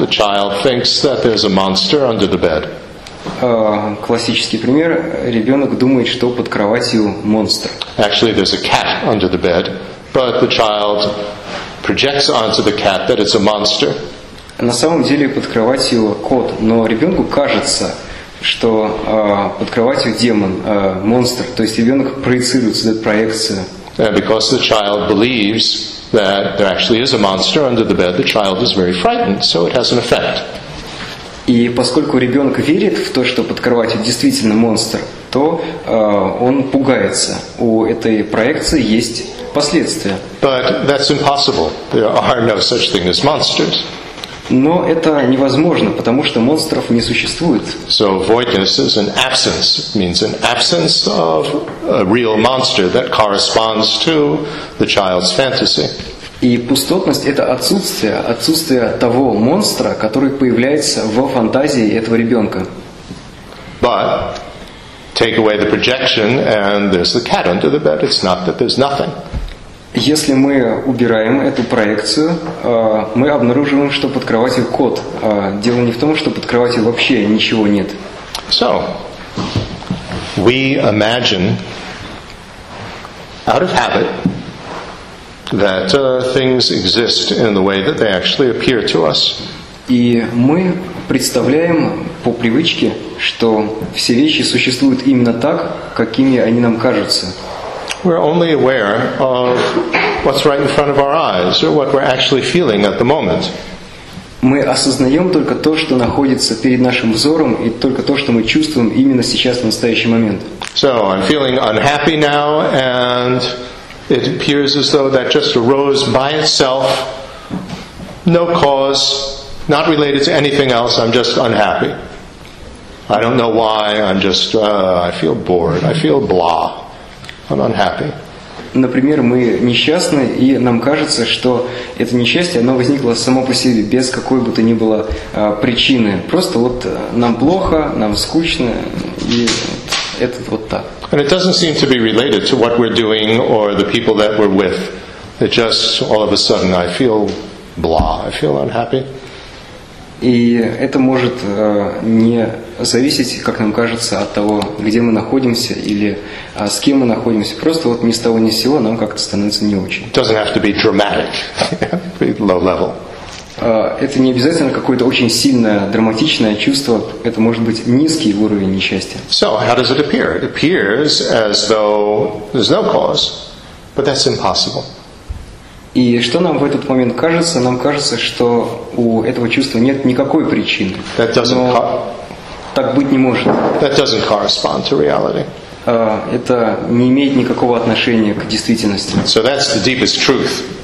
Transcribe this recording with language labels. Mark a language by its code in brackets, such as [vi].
[en] The child thinks that there's a monster under the bed. [ru] Классический пример. Ребенок думает, что под кроватью монстр. [en] Actually, there's a cat under the bed, but the child projects onto the cat that it's a monster. [ru] На самом деле под кроватью кот, но ребенку кажется, что под кроватью демон, монстр. То есть ребенок проецирует, создает проекцию. [en] And because the child believes that there actually is a monster under the bed, the child is very frightened, so it has an effect. [ru] И поскольку ребенок верит в то, что под кроватью действительно монстр, то он пугается. У этой проекции есть последствия. [en] But that's impossible. There are no such thing as monsters. [ru] Но это невозможно, потому что монстров не существует. [en] So voidness is an absence, means an absence of a real monster that corresponds to the child's fantasy. [ru] И пустотность – это отсутствие, отсутствие того монстра, который появляется во фантазии этого ребенка. [en] But take away the projection, and there's the cat under the bed. It's not that there's nothing. [ru] Если мы убираем эту проекцию, мы обнаруживаем, что под кроватью кот. Дело не в том, что под кроватью вообще ничего нет. [en] So, we imagine, out of habit, that things exist in the way that they actually appear to us. [ru] И мы представляем по привычке, что все вещи существуют именно так, какими они нам кажутся. [en] We're only aware of what's right in front of our eyes or what we're actually feeling at the moment. [ru] Мы осознаем только то, что находится перед нашим взором, и только то, что мы чувствуем именно сейчас, в настоящий момент. [en] So, I'm feeling unhappy now, and it appears as though that just arose by itself. No cause, not related to anything else, I'm just unhappy. I don't know why, I'm just, I feel bored, I feel blah. I'm unhappy. [ru] Например, мы несчастны, и нам кажется, что это несчастье, оно возникло само по себе, без какой бы то ни было причины. Просто вот нам плохо, нам скучно, и это вот так. [en] And it doesn't seem to be related to what we're doing or the people that we're with. It just, all of a sudden, I feel blah, I feel unhappy. [ru] И это может не зависеть, как нам кажется, от того, где мы находимся или с кем мы находимся. Просто вот ни с того ни с сего нам как-то становится не очень. [en] Doesn't have to be dramatic. Pretty low level. [ru] Это не обязательно какое-то очень сильное, драматичное чувство. Это может быть низкий уровень несчастья. [en] So, how does it appear? It appears as though there's no cause, but that's impossible. [ru] И что нам в этот момент кажется? Нам кажется, что у этого чувства нет никакой причины. [en] That doesn't [ru] так быть не может. [en] That doesn't correspond to reality. [ru] Это не имеет никакого отношения к действительности. [en] So that's the deepest truth.